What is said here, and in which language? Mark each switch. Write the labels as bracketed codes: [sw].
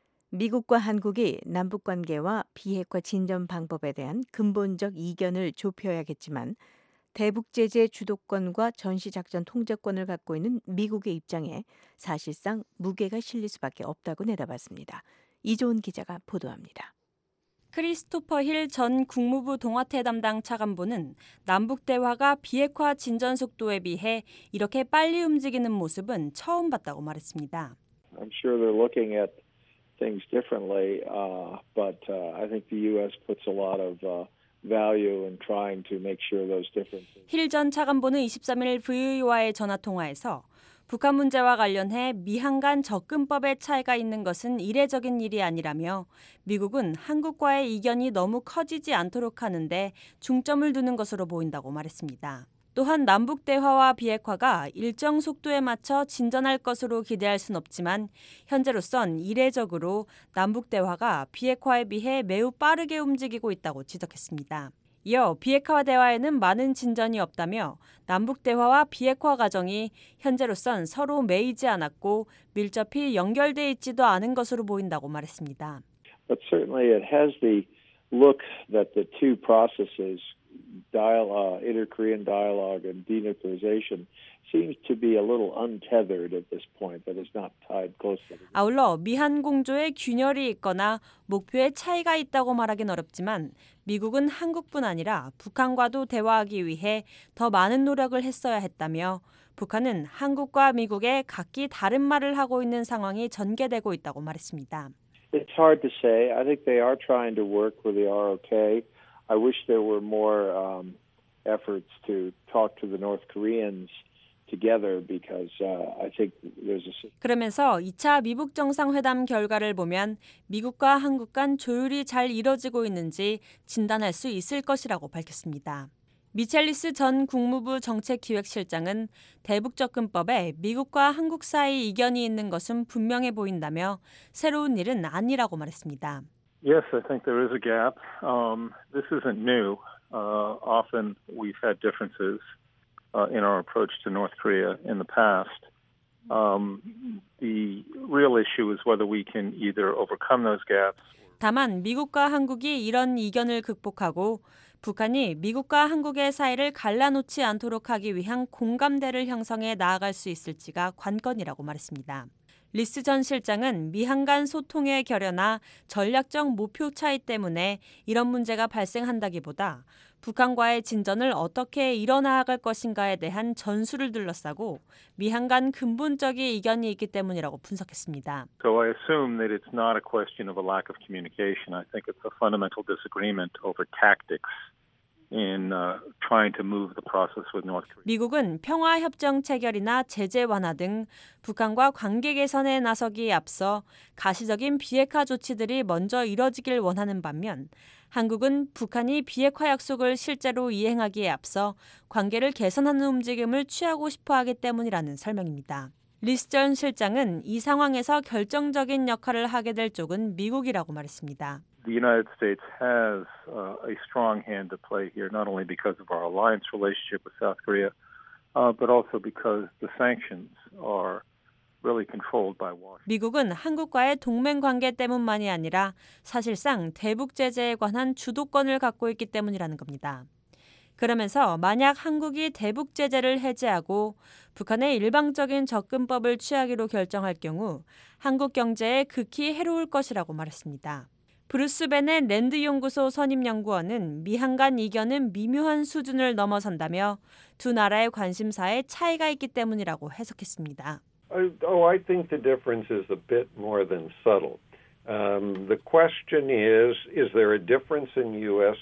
[ko] 미국과 한국이 남북관계와 비핵화 진전 방법에 대한 근본적 이견을 좁혀야겠지만 대북 제재 주도권과 전시작전 통제권을 갖고 있는 미국의 입장에 사실상 무게가 실릴 수밖에 없다고 내다봤습니다. 이조은 기자가 보도합니다. 크리스토퍼 힐 전 국무부 동아태 담당 차관보는 남북 대화가 비핵화 진전 속도에 비해 이렇게 빨리 움직이는 모습은 처음 봤다고 말했습니다. [en] I'm sure they're looking at things differently, but I think the U.S. puts a lot of value in trying to make sure those differences. [ko] 힐 전 차관보는 23일 VOA와의 전화 통화에서 북한 문제와 관련해 미한 간 접근법의 차이가 있는 것은 이례적인 일이 아니라며 미국은 한국과의 이견이 너무 커지지 않도록 하는 데 중점을 두는 것으로 보인다고 말했습니다. 또한 남북 대화와 비핵화가 일정 속도에 맞춰 진전할 것으로 기대할 순 없지만 현재로선 이례적으로 남북 대화가 비핵화에 비해 매우 빠르게 움직이고 있다고 지적했습니다. 이어 비핵화 대화에는 많은 진전이 없다며 남북 대화와 비핵화 과정이 현재로선 서로 매이지 않았고 밀접히 연결돼 있지도 않은 것으로 보인다고 말했습니다. [en] But certainly it has the look that the two processes, inter-Korean dialogue and denuclearization, seems to be a little untethered at this point, that is not tied closely. [ko] 아울러 미한 공조의 균열이 있거나 목표에 차이가 있다고 말하기는 어렵지만 미국은 한국뿐 아니라 북한과도 대화하기 위해 더 많은 노력을 했어야 했다며 북한은 한국과 미국의 각기 다른 말을 하고 있는 상황이 전개되고 있다고 말했습니다. [en] It's hard to say. I think they are trying to work with the ROK. I wish there were more efforts to talk to the North Koreans together because I think there's a [ko] 그러면서 2차 미북 정상회담 결과를 보면 미국과 한국 간 조율이 잘 이루어지고 있는지 진단할 수 있을 것이라고 밝혔습니다. 미첼리스 전 국무부 정책기획실장은 대북접근법에 미국과 한국 사이 이견이 있는 것은 분명해 보인다며 새로운 일은 아니라고 말했습니다. [en] Yes, I think there is a gap. This isn't new. Often we've had differences in our approach to North Korea in the past. The real issue is whether we can either overcome those gaps. [ko] 다만 미국과 한국이 이런 이견을 극복하고 북한이 미국과 한국의 사이를 갈라놓지 않도록 하기 위한 공감대를 형성해 나아갈 수 있을지가 관건이라고 말했습니다. 리스 전 실장은 미한 간 소통의 결여나 전략적 목표 차이 때문에 이런 문제가 발생한다기보다 북한과의 진전을 어떻게 이뤄나갈 것인가에 대한 전술을 둘러싸고 미한 간 근본적인 이견이 있기 때문이라고 분석했습니다. [en] So I assume that it's not a question of a lack of communication. I think it's a fundamental disagreement over tactics. In trying to move the process with North Korea. [ko] 미국은 평화 협정 체결이나 제재 완화 등 북한과 관계 개선에 나서기에 앞서 가시적인 비핵화 조치들이 먼저 이뤄지길 원하는 반면 한국은 북한이 비핵화 약속을 실제로 이행하기에 앞서 관계를 개선하는 움직임을 취하고 싶어 하기 때문이라는 설명입니다. 리스 전 실장은 이 상황에서 결정적인 역할을 하게 될 쪽은 미국이라고 말했습니다. [en] The United States has a strong hand to play here, not only because of our alliance relationship with South Korea, but also because the sanctions are really controlled by Washington. [ko] 미국은 한국과의 동맹 관계 때문만이 아니라 사실상 대북 제재에 관한 주도권을 갖고 있기 때문이라는 겁니다. 그러면서 만약 한국이 대북 제재를 해제하고 북한의 일방적인 접근법을 취하기로 결정할 경우 한국 경제에 극히 해로울 것이라고 말했습니다. 브루스 벤의 랜드 연구소 선임 연구원은 미한 간 이견은 미묘한 수준을 넘어선다며 두 나라의 관심사에 차이가 있기 때문이라고 해석했습니다. [en] I think the difference is a bit more than subtle. The question is there a difference in U.S.